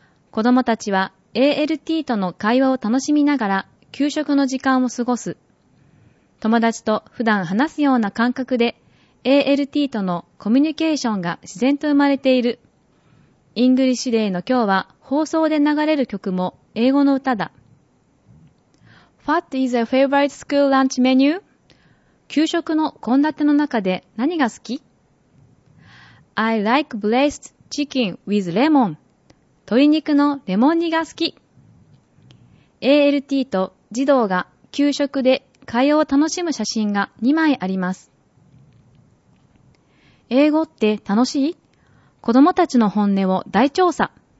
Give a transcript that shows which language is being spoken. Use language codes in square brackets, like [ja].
[ja] 子どもたちは ALT との会話を楽しみながら給食の時間を過ごす。友達と普段話すような感覚で ALT とのコミュニケーションが自然と生まれている。イングリッシュデーの今日は放送で流れる曲も英語の歌だ。 [en] What is your favorite school lunch menu? [ja] 給食の献立の中で何が好き？ [en] I like braised chicken with lemon. [ja] 鶏肉のレモン煮が好き。ALT と児童が給食で会話を楽しむ写真が2枚あります。英語って楽しい？子どもたちの本音を大調査。